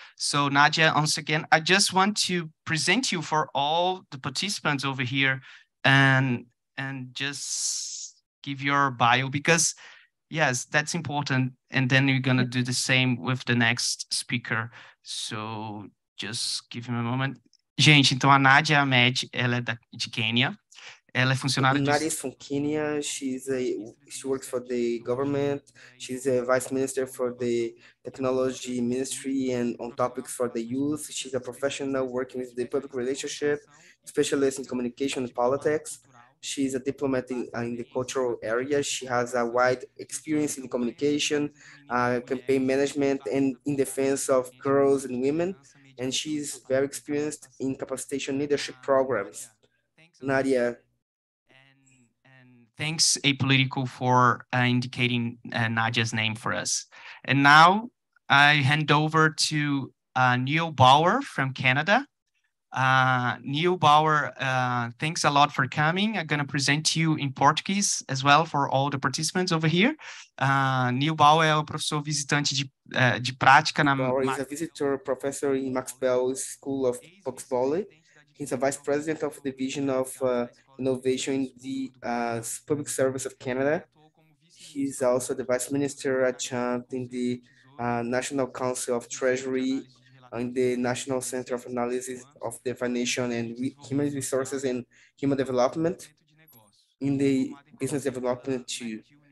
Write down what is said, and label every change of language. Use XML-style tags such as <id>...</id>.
<en>So Nadia, once again, I just want to present you for all the participants over here and just give your bio, because yes, that's important. And then you're gonna do the same with the next speaker. So just give him a moment.</en> <pt>Gente, então a Nadia Ahmed, ela é de Quênia. Ela é funcionária de...</pt> <en>Nadia is from Kenya. She works for the government. She's a vice minister for the technology ministry and on topics for the youth. She's a professional working with the public relationship, specialist in communication and politics. She's a diplomat in the cultural area. She has a wide experience in communication, campaign management, and in defense of girls and women. And she's very experienced in capacitation leadership programs. Nadia. And thanks, Apolitical, for indicating Nadia's name for us. And now I hand over to Neil Bauer from Canada. Neil Bauer, thanks a lot for coming. I'm going to present to you in Portuguese as well for all the participants over here.</en> <pt>Neil Bauer é o professor visitante de prática na...</pt> <en>Bauer is a visitor professor in Max Bell School of Box Volley. He's a vice president of the Division of Innovation in the Public Service of Canada. He's also the vice minister adjunct in the National Council of Treasury and the National Center of Analysis of the Financial and Human Resources and Human Development in the Business Development too.</en>